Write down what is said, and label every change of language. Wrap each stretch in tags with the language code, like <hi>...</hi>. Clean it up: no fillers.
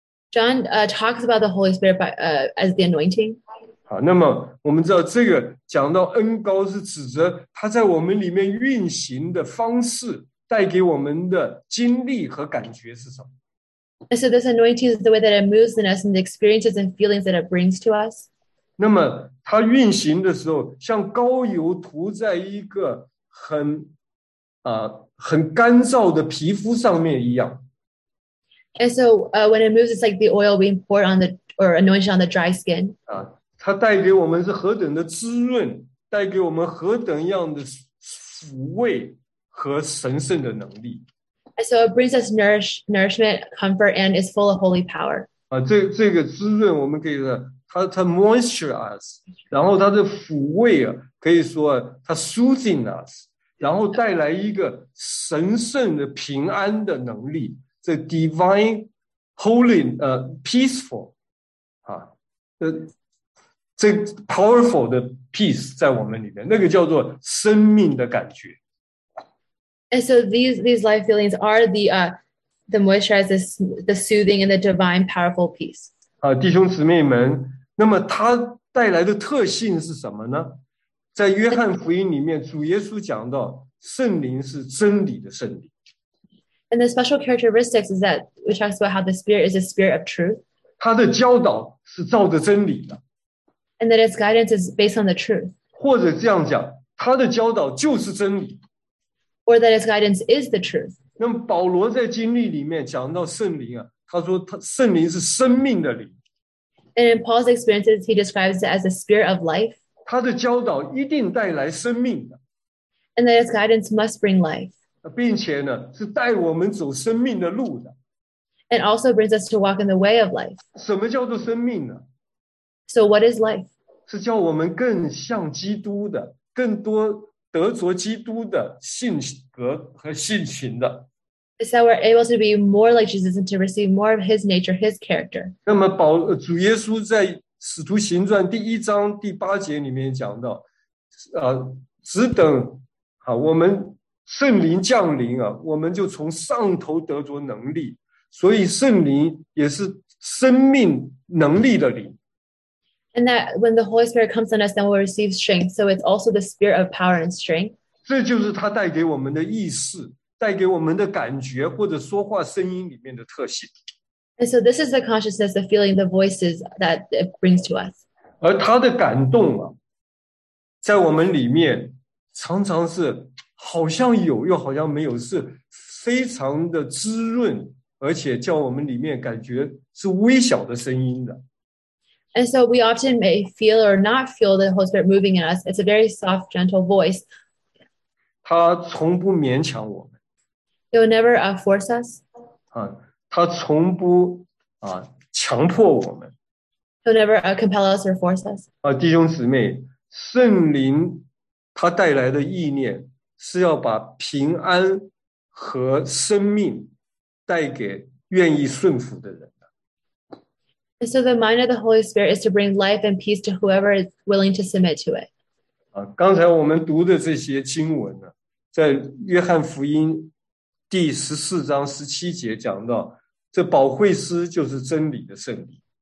<en>John talks about the Holy Spirit as the anointing.</en> <zh>那么我们知道这个讲到恩膏是指着他在我们里面运行的方式带给我们的经历和感觉是什么。</zh> <en>And so this anointing is the way that it moves in us and the experiences and feelings that it brings to us.</en> <zh>那么它运行的时候像膏油涂在一个很很干燥的皮肤上面一样。</zh> <en>And so when it moves, it's like the oil being poured on the, or anointed on the dry skin.</en> <zh>它带给我们是何等的滋润，带给我们何等样的抚慰和神圣的能力。</zh> <en>And so it brings us nourishment, comfort, and is full of holy power.</en> <zh>这个滋润我们可以说它</zh> <en>moisture us,</en> <zh>然后它的抚慰可以说它</zh> <en>soothing us。</en> <zh>然后带来一个神圣的平安的能力，这</zh> <en>divine holy peaceful</en> <zh>这 powerful 的 peace 在我们里面，那个叫做生命的感觉。</zh> <en>And so these life feelings are the moisturizes the soothing and the divine powerful peace.</en> <zh>弟兄姊妹们，那么它带来的特性是什么呢？在约翰福音里面主耶稣讲到圣灵是真理的圣灵。</zh> <en>And the special characteristics is that we talk about how the Spirit is the Spirit of truth.</en> <zh>他的教导是照着真理的。</zh> <en>And that his guidance is based on the truth.</en> <zh>或者这样讲，他的教导就是真理。</zh> <en>Or that his guidance is the truth.</en> <zh>那么保罗在经历里面讲到圣灵他说他圣灵是生命的灵。</zh> <en>And in Paul's experiences, he describes it as the Spirit of life.</en> <zh>他的教导一定带来生命的。</zh> <en>And that his guidance must bring life.</en> <zh>并且呢是带我们走生命的路的。</zh> <en>And also brings us to walk in the way of life.</en> <zh>什么叫做生命呢？</zh> <en>So what is life?</en> <zh>是叫我们更像基督的，更多得着基督的性格和性情的。</zh> <en>It's that we're able to be more like Jesus and to receive more of his nature, his character.</en> <zh>那么主耶稣在使徒行传第一章第八节里面讲到只等我们圣灵降临我们就从上头得着能力，所以圣灵也是生命能力的灵。</zh> <en>And that when the Holy Spirit comes on us, then we'll receive strength, so it's also the Spirit of power and strength.</en> <zh>这就是他带给我们的意识，带给我们的感觉，或者说话声音里面的特性。</zh> <en>And so this is the consciousness, the feeling, the voices that it brings to us.</en> <zh>而他的感动在我们里面常常是好像有又好像没有，是非常的滋润，而且叫我们里面感觉是微小的声音的。</zh> <en>And so we often may feel or not feel the Holy Spirit moving in us. It's a very soft, gentle voice.</en> <zh>他从不勉强我们。</zh> <en>It will never force us.</en> <zh>他从不强迫我们。</zh> <en>He'll never compel us or force us.</en> <zh>弟兄姊妹，圣灵他带来的意念是要把平安和生命带给愿意顺服的人。</zh> <en>And so the mind of the Holy Spirit is to bring life and peace to whoever is willing to submit to it.</en> <zh>刚才我们读的这些经文在约翰福音第十四章十七节讲到，这宝惠师就是真理的圣灵。</zh>